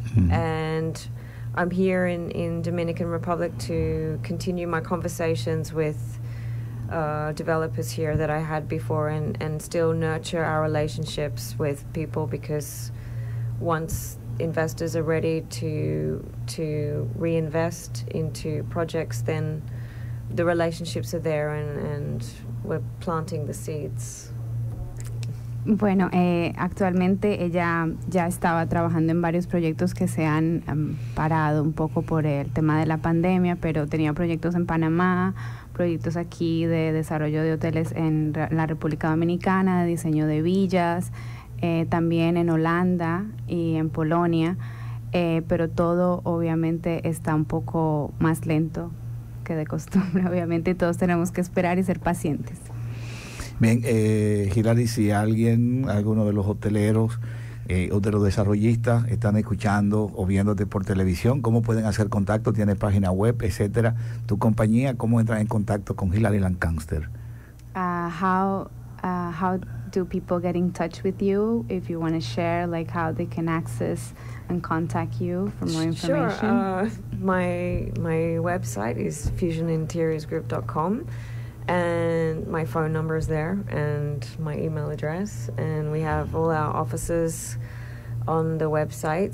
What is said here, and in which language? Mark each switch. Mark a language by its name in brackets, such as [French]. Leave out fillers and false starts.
[English] And I'm here in Dominican Republic to continue my conversations with developers here that I had before, and still nurture our relationships with people, because once investors are ready to reinvest into projects, then the relationships are there, and we're planting the seeds. [Spanish] Bueno, actualmente ella ya estaba trabajando en varios proyectos que se han parado un poco por el tema de la pandemia, pero tenía proyectos en Panamá, proyectos aquí de desarrollo de hoteles en la República Dominicana, de diseño de villas, también en Holanda y en Polonia, pero todo obviamente está un poco más lento que de costumbre, obviamente, y todos tenemos que esperar y ser pacientes. Bien, Hilary, si alguno de los hoteleros o de los desarrollistas están escuchando o viéndote por televisión, ¿cómo pueden hacer contacto? ¿Tienes página web, etcétera? ¿Tu compañía, cómo entran en contacto con Hilary Lancaster? [English] How do people get in touch with you if you want to share, like how they can access and contact you for more information? Sure, my website is fusioninteriorsgroup.com. And my phone number is there, and my email address, and we have all our offices on the website.